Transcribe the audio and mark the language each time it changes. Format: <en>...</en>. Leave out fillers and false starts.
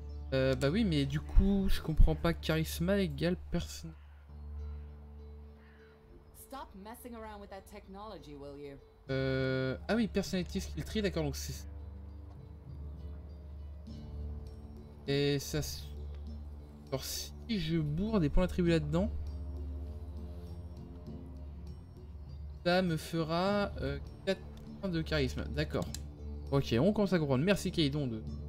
<fr>Bah oui, mais du coup, je comprends pas. Charisma égale personne.</fr> <en>Stop messing around with that technology, will you?</en> <fr>Ah oui, personnalité skill tree, d'accord, donc c'est. Et ça. Alors, si je bourre des points d'attribut là-dedans, ça me fera 4 points de charisme, d'accord. Ok, on commence à comprendre. Merci, Kaidon 2.</fr>